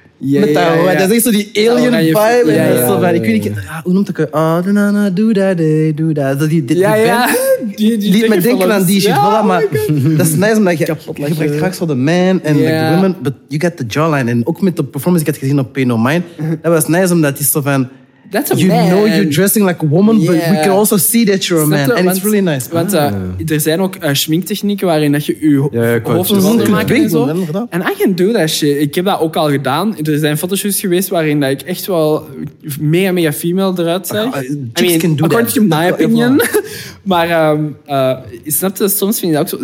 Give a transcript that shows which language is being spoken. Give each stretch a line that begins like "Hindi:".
Dutch: Dat is echt zo die alien vibe. Hoe noemt dat?
English: Do that.
Dutch: Die liet me denken aan die shit. Maar dat is nice, omdat je gebruikt graag zo de man en de woman.
English: But you got the jawline.
Dutch: En ook met de performance die ik had gezien op Pay No Mind. Dat was nice, omdat het zo van...
English: That's a you man. Know you're dressing like a woman, but we can also see that you're a man. And it's really nice.
Dutch: Want er zijn ook schminktechnieken waarin dat je hoofd rond kunt maken. En
English: I can do that shit.
Dutch: Ik heb dat ook al gedaan. Er zijn fotoshoots geweest waarin dat ik echt wel mega, mega female eruit zag.
English: According to my opinion.
Dutch: Maar snap je, soms vind je dat ook zo.